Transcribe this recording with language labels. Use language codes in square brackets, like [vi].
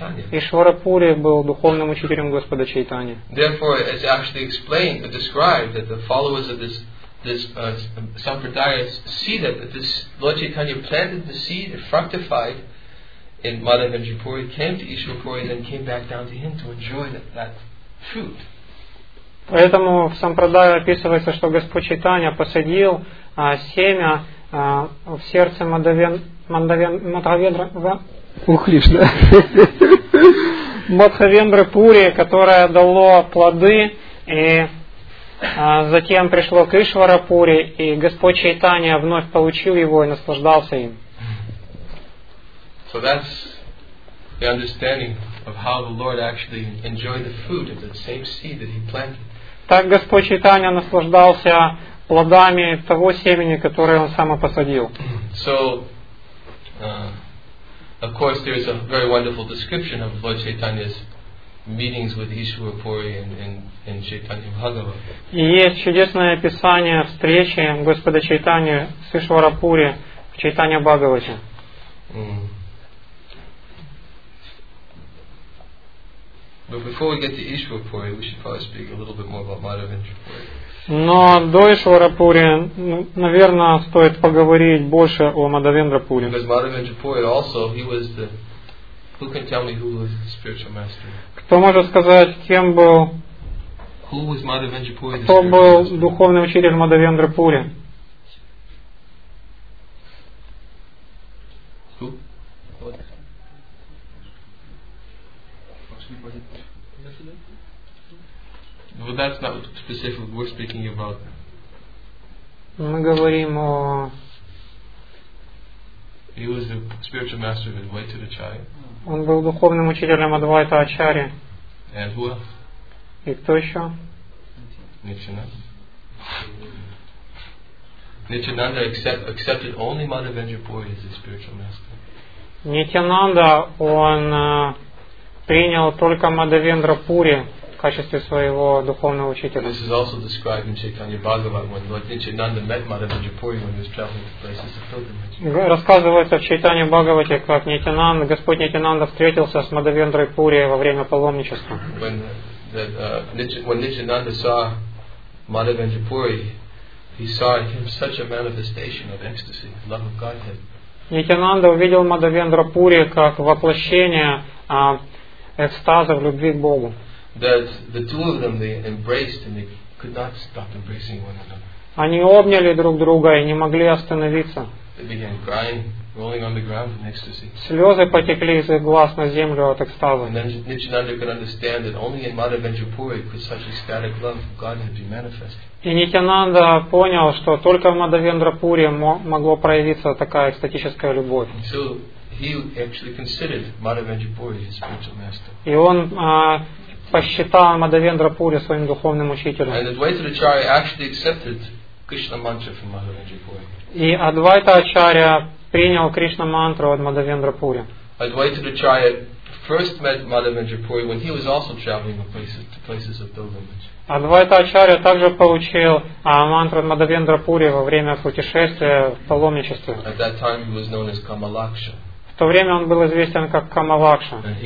[ru] Ишвара Пури был духовным учителем Господа Чайтани. [en] Therefore, it's actually explained or described that the followers of this sampradaya see that this Lord Chaitanya planted the seed, it fructified in Madhavendra Puri, came to Ishwar Puri, then came back down to him to enjoy that fruit. [ru] Поэтому в сампрадае описывается, что Господь Чайтанья посадил семя в сердце Мадхавендры Пури, которое дало плоды, и затем пришло к Ишвара Пури, и Господь Чайтанья вновь получил его и наслаждался им. [en] So that's the understanding of how the Lord actually enjoyed the fruit of the same seed that he planted. [ru] Так Господь Чайтанья наслаждался плодами того семени, которое он сам посадил. [en] So, of course, there is a very wonderful description of Lord Chaitanya's meetings with Ishwar Puri and Chaitanya Bhagava. [ru] И есть чудесное описание встречи Господа Чайтанья с Ишвара Пури в Чайтанья Бхагавате. [en] But before we get to Ishwarapuri, we should probably speak a little bit more about Madhavendrapuri. [ru] Но до Ишварапури, наверное, стоит поговорить больше о Мадхавендрапури. [en] Because Madhavendrapuri also, he was the... Who can tell me who was the spiritual master? [ru] Кто может сказать, кем был... [en] Who was Madhavendrapuri? [ru] Кто был духовный учитель Мадхавендрапури? [en] Well, that's not specific. We're speaking about. [ru] Мы говорим о. [en] He was the spiritual master of Advaita Acharya. [ru] Он был духовным учителем Адвайта Ачарьи. [en] And who? [ru] И кто еще? [en] Nityananda. Nityananda accepted only Madhavendrapuri as his spiritual master. [ru] Nityananda, он принял только Мадхавендрапури. В качестве своего духовного учителя. [en] This is also described in Chaitanya Bhagavatam when Lord Nityananda met Madhavendrapuri when he was traveling to places of pilgrimage. [ru] Рассказывается в Чайтане Бхагавате, как Нитянанда, Господь Нитянанда встретился с Мадхавендрапури во время паломничества. [en] When Nityananda saw Madhavendrapuri, he saw in him such a manifestation of ecstasy, love of Godhead. [ru] Нитянанда увидел Мадхавендрапури как воплощение экстаза в любви к Богу. [en] That the two of them they embraced and they could not stop embracing one another. [ru] Они обняли друг друга и не могли остановиться. [en] They began crying, rolling on the ground in ecstasy. [ru] Слезы потекли из их глаз на землю от экстаза. [en] And then Nityananda could understand that only in Madhavendrapuri could such ecstatic love of God have been manifested. [ru] И Нитянанда понял, что только в Мадхавендрапури могло проявиться такая экстатическая любовь. [en] So he actually considered Madhavendrapuri his spiritual master. [ru] И он посчитал Мадхавендрапури своим духовным учителем. [en] And Advaita Acharya actually accepted Krishna mantra from Madhavendrapuri. [ru] И Адвайта Ачарья принял Кришна мантру от Мадхавендрапури. [en] Advaita Acharya first met Madhavendrapuri when he was also traveling to places of pilgrimage. [ru] Адвайта Ачарья также получил мантру от Мадхавендрапури во время путешествия в паломничестве. [en] At that time he was known as Kamalaksha. [ru] В то время он был известен как Камалакша.